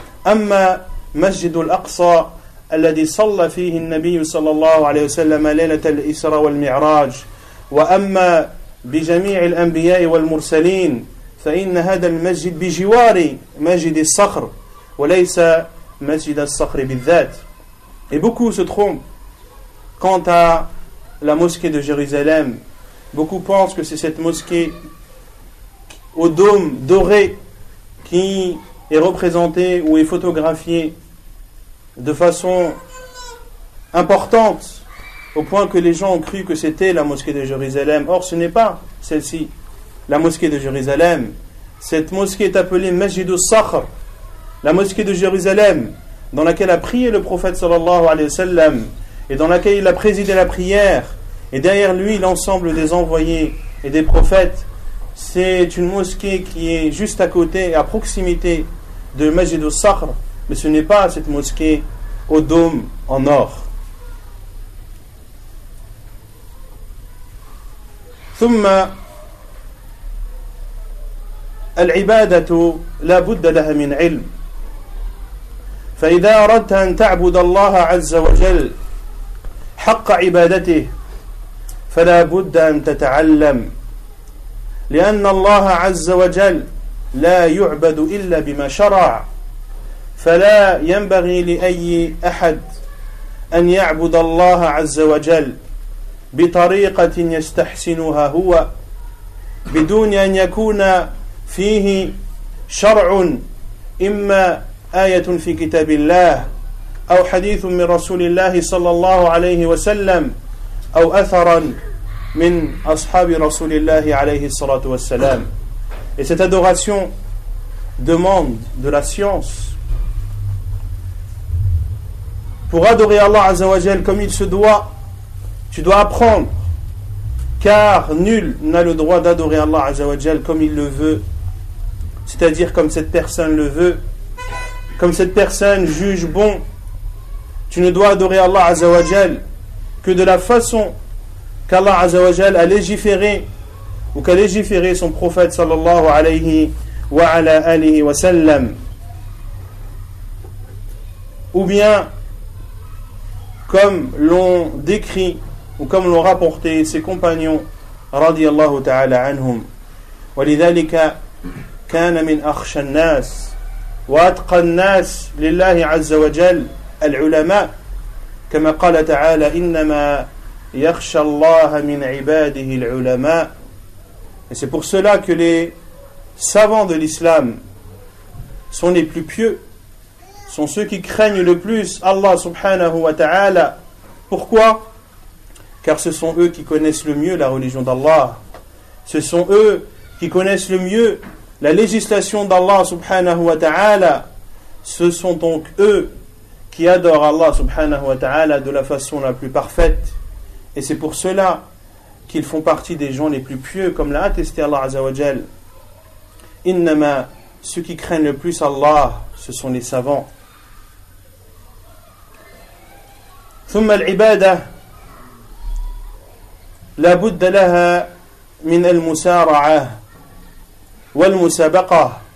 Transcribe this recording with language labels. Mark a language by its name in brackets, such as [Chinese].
[Arabic] أما مسجد الأقصى الذي صلى فيه النبي صلى الله عليه وسلم ليلة الإسراء والمعراج، وأما بجميع الأنبياء والمرسلين فإن هذا المسجد بجوار مسجد الصخر وليس مسجد الصخر بالذات. [French] Et beaucoup se trompent quant à la mosquée de Jérusalem. Beaucoup pensent que c'est cette mosquée au dôme doré qui est représentée ou est photographiée de façon importante, au point que les gens ont cru que c'était la mosquée de Jérusalem. Or, ce n'est pas celle-ci, la mosquée de Jérusalem. Cette mosquée est appelée Masjid al-Sakhr, la mosquée de Jérusalem, dans laquelle a prié le prophète sallallahu alayhi wa sallam, et dans laquelle il a présidé la prière, et derrière lui l'ensemble des envoyés et des prophètes. C'est une mosquée qui est juste à côté, à proximité de Masjid al-Sakhr, mais ce n'est pas cette mosquée au dôme en or. [Arabic] ثم العبادة لا بد لها من علم فإذا أردت أن تعبد الله عز وجل حق عبادته فلا بد أن تتعلم لأن الله عز وجل لا يعبد إلا بما شرع فلا ينبغي لأي أحد أن يعبد الله عز وجل بطريقة يستحسنها هو بدون أن يكون فيه شرع إما آية في كتاب الله أو حديث من رسول الله صلى الله عليه وسلم أو أثرا من أصحاب رسول الله عليه الصلاة والسلام. [French] Et cette adoration demande de la science. Pour adorer Allah Azza wa Jal comme il se doit, tu dois apprendre, car nul n'a le droit d'adorer Allah Azzawajal comme il le veut, c'est-à-dire comme cette personne le veut, comme cette personne juge bon. Tu ne dois adorer Allah Azzawajal que de la façon qu'Allah Azzawajal a légiféré ou qu'a légiféré son prophète sallallahu alayhi wa ala alihi wa sallam. Ou bien comme l'ont décrit ou comme l'ont rapporté ses compagnons radiyallahu ta'ala anhum. [Arabic] ولذلك كان من اخشى الناس واتقى الناس لله عز وجل العلماء كما قال تعالى انما يخشى الله من عباده العلماء. [French] Et c'est pour cela que les savants de l'islam sont les plus pieux, sont ceux qui craignent le plus Allah subhanahu wa ta'ala. Pourquoi? Car ce sont eux qui connaissent le mieux la religion d'Allah. Ce sont eux qui connaissent le mieux la législation d'Allah subhanahu wa ta'ala. Ce sont donc eux qui adorent Allah subhanahu wa ta'ala de la façon la plus parfaite. Et c'est pour cela qu'ils font partie des gens les plus pieux, comme l'a attesté Allah azza wa jal. Innama, ceux qui craignent le plus Allah, ce sont les savants. [Arabic] Thumma al-ibadah لا بد لها من المسارعة والمسابقة.